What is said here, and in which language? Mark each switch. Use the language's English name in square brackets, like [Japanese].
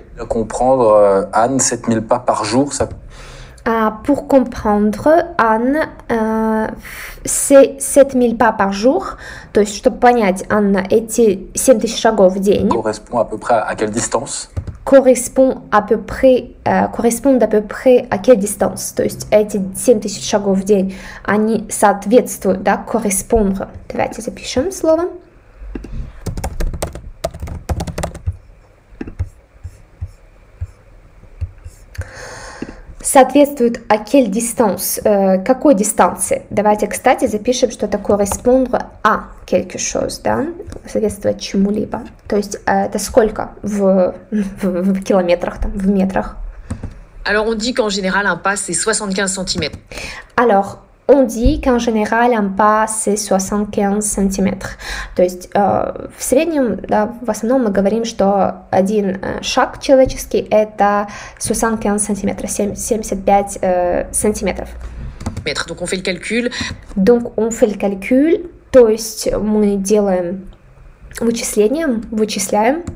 [French] Pour comprendre, Anne, 7 000 pas par jour, ça... Pour comprendre, Anne, c'est 7 000 pas par jour. [Russian] То есть, чтобы понять, Анна, эти 7 000 шагов в день. [French] Correspond à peu près à quelle distance? Correspondent à peu près à quelle distance? [Russian] То есть эти 7 000 шагов в день, они соответствуют, да, correspondre. Давайте запишем слово. Соответствуют [French] à quelle distance? [Russian] Какой дистанции? Давайте, кстати, запишем, что это [French] correspondre à quelque chose, [Russian] да, соответствует чему-либо. То есть это сколько в километрах, там, в метрах? [French] Alors, on dit qu'en général, un pas, c'est 75 cm. Alors, on dit qu'en général, un pas, c'est 75 cm. [Russian] То есть, в среднем, да, в основном, мы говорим, что один шаг человеческий, это 75 сантиметров, 75 сантиметров. [French] Donc, on fait le calcul. Donc, on fait le calcul. [Russian] То есть, мы делаем вычисление, вычисляем.